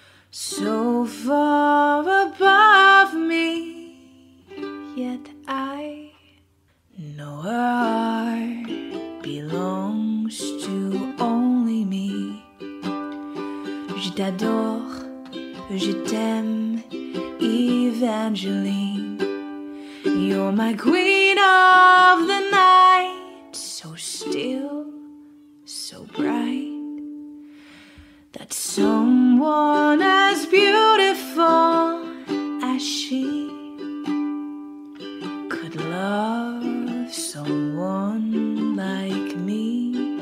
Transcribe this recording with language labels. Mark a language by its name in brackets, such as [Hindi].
[English] So far above me, yet I know her heart belongs to only me. [French] Je t'adore, je t'aime, Evangeline. [English] You're my queen of the night, so still, so bright, that someone as beautiful as she could love someone like me.